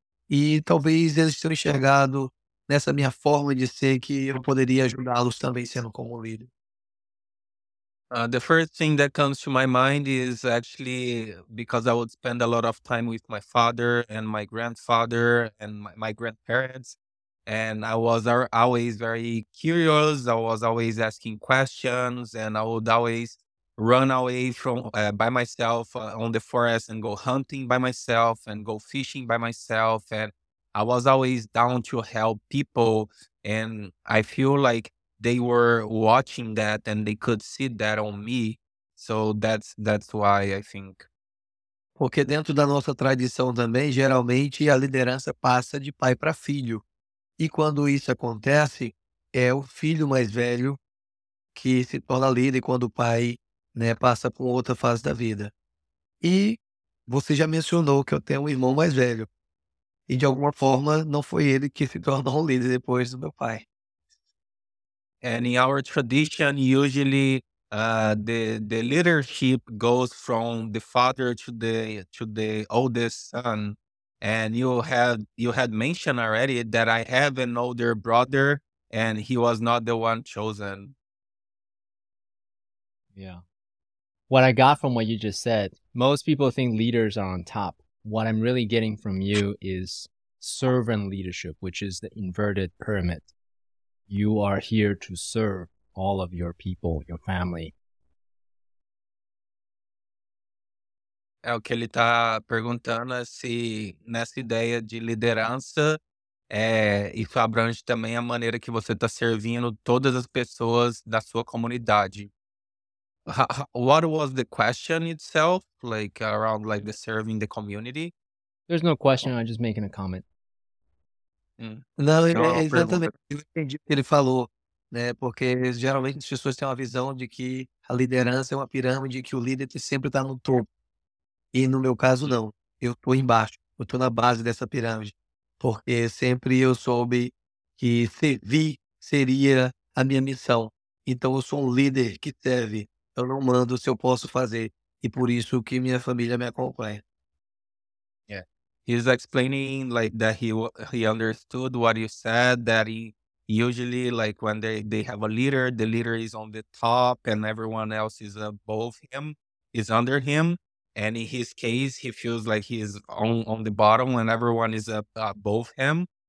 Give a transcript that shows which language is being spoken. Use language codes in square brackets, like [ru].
[pt] E talvez eles tenham enxergado nessa minha forma de ser que eu poderia ajudá-los também sendo como líder. [en] The first thing that comes to my mind is actually because I would spend a lot of time with my father and my grandfather and my grandparents. And I was always very curious. I was always asking questions and I would always run away from by myself on the forest and go hunting by myself and go fishing by myself. And I was always down to help people. And I feel like they were watching that and they could see that on me. So that's why I think. [pt] Porque dentro da nossa tradição também, geralmente a liderança passa de pai para filho. E quando isso acontece, é o filho mais velho que se torna líder quando o pai, né, passa por outra fase da vida. E você já mencionou que eu tenho um irmão mais velho. E de alguma forma, não foi ele que se tornou um líder depois do meu pai. [en] And in our tradition, usually the leadership goes from the father to the oldest son. And you had mentioned already that I have an older brother and he was not the one chosen. Yeah. What I got from what you just said, most people think leaders are on top. What I'm really getting from you is servant leadership, which is the inverted pyramid. You are here to serve all of your people, your family. [pt] É o que ele está perguntando, se nessa ideia de liderança, isso abrange também a maneira que você está servindo todas as pessoas da sua comunidade. [en] What was the question itself, like around like the serving the community? There's no question, I'm just making a comment. [pt] Não, é exatamente o que eu entendi que ele falou, né? Porque geralmente as pessoas têm uma visão de que a liderança é uma pirâmide, que o líder sempre está no topo. E no meu caso, não. Eu estou embaixo, eu estou na base dessa pirâmide. Porque sempre eu soube que servir seria a minha missão. Então eu sou um líder que serve. Eu não mando se eu posso fazer. E por isso que minha família me acompanha. [en] He's explaining like that he understood what you said, that he usually like when they have a leader, the leader is on the top and everyone else is above him, is under him. And in his case, he feels like he is on the bottom and everyone is above him.